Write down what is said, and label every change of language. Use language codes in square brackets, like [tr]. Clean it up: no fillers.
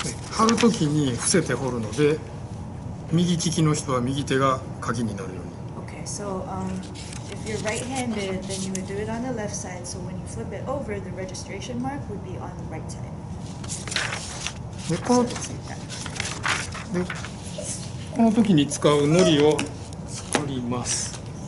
[ja] 貼るときに伏せて彫るので、右利きの人は右手が鍵になるように。 [en] Okay. So, If you're right-handed, then you would do it on the left side. So when you flip it over, the registration mark would be on the right side. [ja] で、この、で、この時に使う糊を作ります。